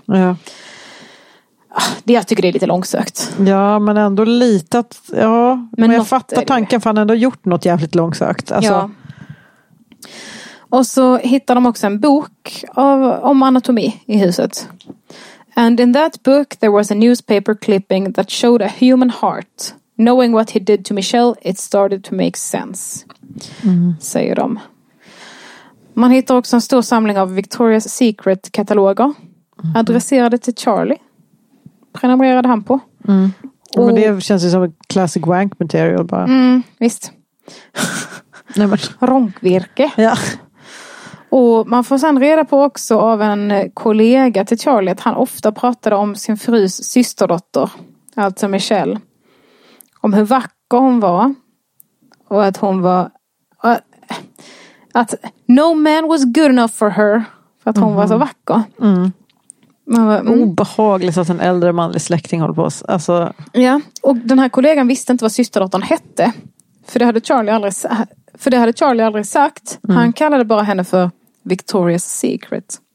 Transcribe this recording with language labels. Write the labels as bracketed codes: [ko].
[sv] Ja. Det jag tycker det är lite långsökt. Ja, men ändå lite att... Ja, men jag fattar tanken för han ändå gjort något jävligt långsökt. Alltså. Ja. Och så hittar de också en bok om anatomi i huset. [en] And in that book there was a newspaper clipping that showed a human heart. Knowing what he did to Michelle, it started to make sense. [sv] Mm. Säger de. Man hittar också en stor samling av Victoria's Secret-kataloger. Mm. Adresserade till Charlie. Prenumererade han på. Mm. Och, men det känns ju som en [en] classic wank material [sv] bara. Mm, visst. Ronkvirke. Ja. Och man får sedan reda på också av en kollega till Charlie att han ofta pratade om sin frus systerdotter. Alltså Michelle. Om hur vacker hon var. Och att hon var... Att [en] no man was good enough for her. [sv] För att hon var så vacker. Mm. Obehagligt att en äldre manlig släkting håller på oss. Alltså... Ja, och den här kollegan visste inte vad systerdottern hette. För det hade Charlie aldrig sagt. Mm. Han kallade bara henne för Victoria's Secret.